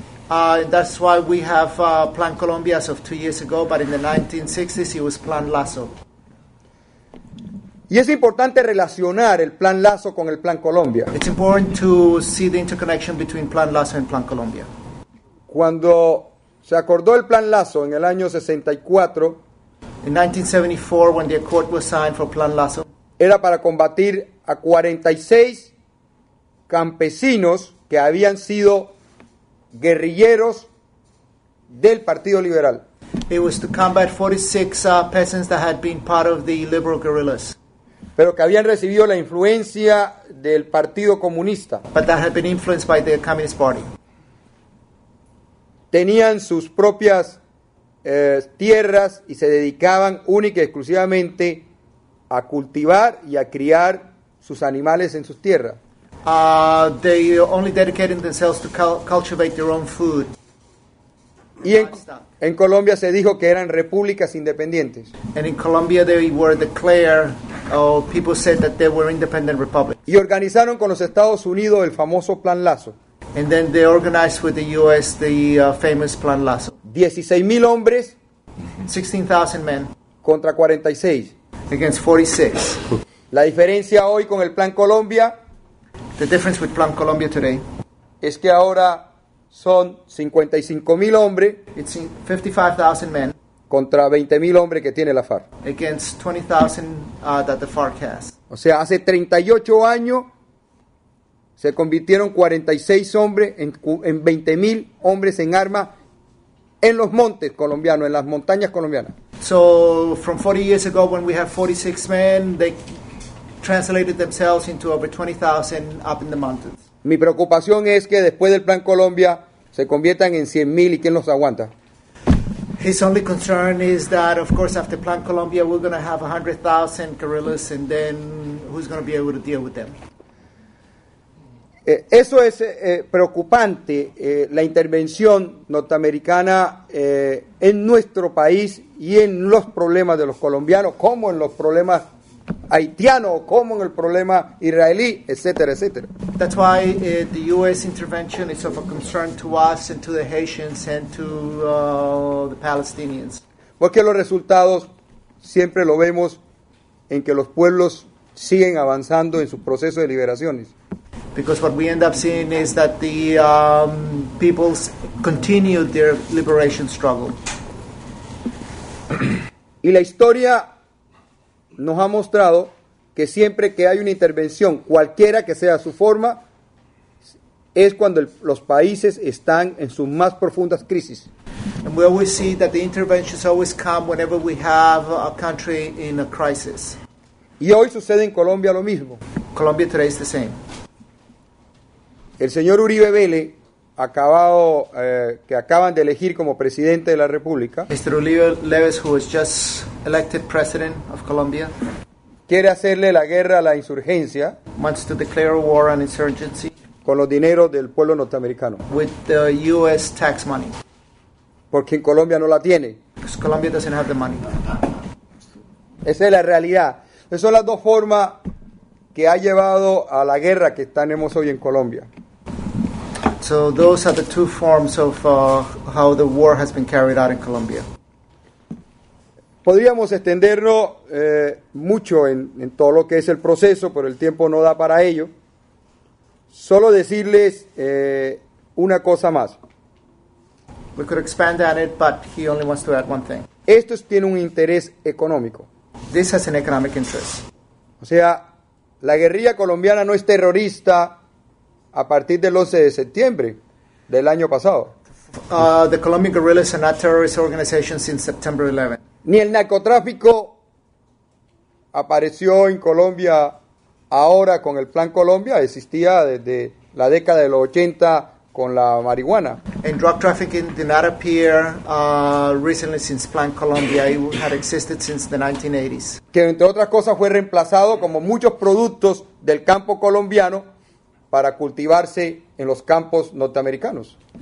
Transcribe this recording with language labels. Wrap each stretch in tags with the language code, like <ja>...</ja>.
<en>That's why we have Plan Colombia as of 2 years ago, but in the 1960s it was Plan Lasso.</en> <es>Y es importante relacionar el Plan Lasso con el Plan Colombia.</es> <en>It's important to see the interconnection between Plan Lasso and Plan Colombia.</en> <es>Cuando se acordó el Plan Lasso en el año 64,</es> <en>in 1974, when the accord was signed for Plan Lasso,</en> <es>era para combatir a 46 campesinos que habían sido guerrilleros del Partido Liberal.</es> <en>It was to combat 46 peasants that had been part of the liberal guerrillas.</en> <es>Pero que habían recibido la influencia del Partido Comunista.</es> <en>But that had been influenced by the Communist Party.</en> <es>Tenían sus propias tierras y se dedicaban única y exclusivamente a cultivar y a criar sus animales en sus tierras.</es> <en>They only dedicated themselves to cultivate their own food.</en> <es>Y en Colombia se dijo que eran repúblicas independientes.</es> <en>And in Colombia they were declared, or people said that they were independent republics.</en> <es>Y organizaron con los Estados Unidos el famoso Plan Lasso.</es> <en>And then they organized with the U.S. the famous Plan Lasso.</en> <es>16,000 hombres.</es> <en>16,000 men.</en> <es>Contra 46.</es> <en>Against 46.</en> <es>La diferencia hoy con el Plan Colombia.</es> <en>The difference with Plan Colombia today.</en> <es>Es que ahora son 55,000 hombres.</es> <en>It's 55,000 men.</en> <es>Contra 20,000 hombres que tiene la FARC.</es> <en>Against 20,000 that the FARC has.</en> <es>O sea, hace 38 años. Se convirtieron 46 hombres en 20,000 hombres en armas en los montes colombianos, en las montañas colombianas.</es> <en>So, from 40 years ago, when we had 46 men, they translated themselves into over 20,000 up in the mountains.</en> <es>Mi preocupación es que después del Plan Colombia se conviertan en 100,000 y quién los aguanta.</es> <en>His only concern is that, of course, after Plan Colombia, we're going to have 100,000 guerrillas, and then who's going to be able to deal with them?</en> <es>Eso es preocupante, la intervención norteamericana en nuestro país y en los problemas de los colombianos, como en los problemas haitianos, como en el problema israelí, etcétera, etcétera.</es> <en>That's why the U.S. intervention is of a concern to us and to the Haitians and to the Palestinians.</en> <es>Porque los resultados siempre lo vemos en que los pueblos siguen avanzando en su proceso de liberaciones.</es> <en>Because what we end up seeing is that the peoples continue their liberation struggle.</en> <es>Y la historia nos ha mostrado que siempre que hay una intervención, cualquiera que sea su forma, es cuando los países están en sus más profundas crisis.</es> <en>And we always see that the interventions always come whenever we have a country in a crisis.</en> <es>Y hoy sucede en Colombia lo mismo.</es> <en>Colombia today is the same.</en> <es>El señor Uribe Vélez, que acaban de elegir como presidente de la República,</es> <en>Mr. Uribe Vélez, who was just elected president of Colombia,</en> <es>quiere hacerle la guerra a la insurgencia,</es> <en>wants to declare war on insurgency,</en> <es>con los dineros del pueblo norteamericano,</es> <en>with the U.S. tax money,</en> <es>porque en Colombia no la tiene,</es> <en>because Colombia doesn't have the money.</en> <es>Esa es la realidad. Esas son las dos formas que ha llevado a la guerra que tenemos hoy en Colombia.</es> <en>So those are the two forms of how the war has been carried out in Colombia.</en> <es>Podríamos extendernos mucho en todo lo que es el proceso, pero el tiempo no da para ello. Solo decirles una cosa más.</es> <en>We could expand on it, but he only wants to add one thing.</en> <es>Esto tiene un interés económico.</es> <en>This has an economic interest.</en> <es>O sea, la guerrilla colombiana no es terrorista a partir del 11 de septiembre del año pasado.</es> <en>The Colombian guerrillas are not terrorist organizations since September 11.</en> <es>Ni el narcotráfico apareció en Colombia ahora con el Plan Colombia. Existía desde la década de los 80 con la marihuana.</es> <en>And drug trafficking did not appear recently since Plan Colombia. It had existed since the 1980s.</en> <es>Que entre otras cosas fue reemplazado como muchos productos del campo colombiano para cultivarse en los campos norteamericanos.</es>